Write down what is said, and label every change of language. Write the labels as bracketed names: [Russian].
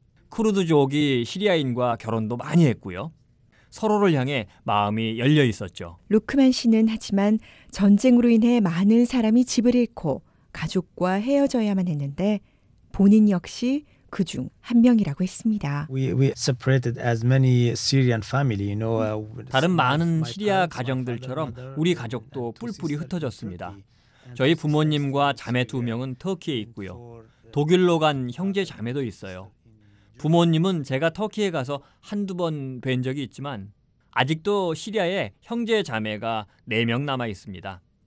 [Korean] 쿠르드족이 시리아인과 결혼도 많이 했고요. 서로를 향해 마음이 열려 있었죠. 루크만 씨는 하지만 전쟁으로 인해 많은 사람이 집을 잃고 가족과 헤어져야만 했는데 본인 역시 그중 한 명이라고 했습니다. [English] We separated as many Syrian family, you know. [Korean] 다른 많은 시리아 가정들처럼 우리 가족도 뿔뿔이 흩어졌습니다. 저희 부모님과 자매 두 명은 터키에 있고요. 독일로 간 형제 자매도 있어요. 부모님은 제가 터키에 가서 한두 번 뵌 적이 있지만 아직도 시리아에 형제 자매가 네 명 남아 있습니다.